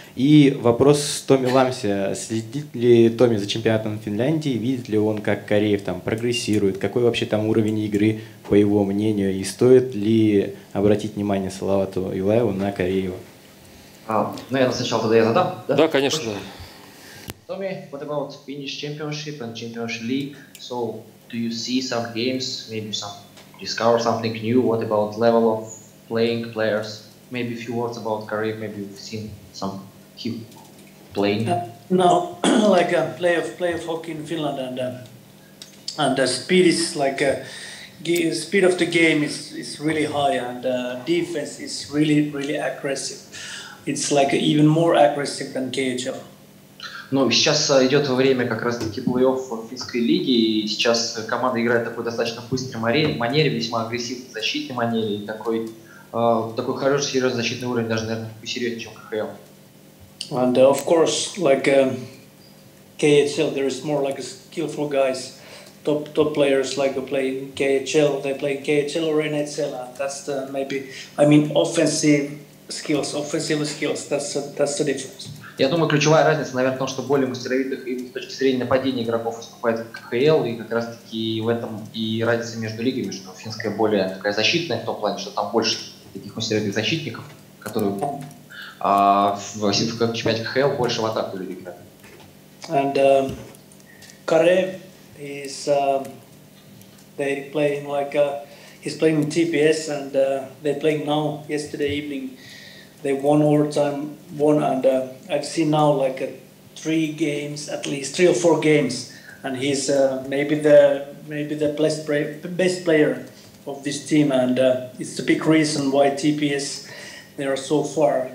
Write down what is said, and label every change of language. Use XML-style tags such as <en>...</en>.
<ru>И вопрос Томми Ламсе. Следит ли Томми за чемпионатом Финляндии? Видит ли он, как Кореев там прогрессирует? Какой вообще там уровень игры, по его мнению? И стоит ли обратить внимание Салавату Юлаеву на Кореева? Наверное, сначала тогда я задам. Да, конечно, да.</ru> <en>Tommy, what about Finnish Championship and Champions League? So, do you see some games, maybe some discover something new? What about level of playing players? Maybe a few words about career. Maybe you've seen some he playing. No, like a play of hockey in Finland and the speed is like a speed of the game is really high and defense is really really aggressive. It's like even more aggressive than KHL.</en> <ru>Ну, сейчас идет время как раз-таки плей-офф финской лиги, и сейчас команда играет в такой достаточно быстрой манере, весьма агрессивной защитной манере, и такой, такой хороший, серьезный защитный уровень, даже, наверное, посерьезнее, чем КХЛ.</ru> <en>And of course, like KHL, there is more like skillful guys, top players like playing KHL, they play KHL or NHL, and that's the maybe, I mean, offensive skills, that's the difference.</en> <ru>Я думаю, ключевая разница, наверное, в том, что более мастеровитых и с точки зрения нападения игроков выступает КХЛ, и как раз-таки в этом и разница между лигами, что финская более такая защитная в том плане, что там больше таких мастеровитых защитников, которые в чемпионате КХЛ больше в атаку люди играют.</ru> <en>And Karev is they playing like he's playing TPS and they playing now yesterday evening. They won overtime, won, and I've seen now like three games, at least three or four games, and he's maybe the best player of this team, and it's the big reason why TPS they are so far.</en>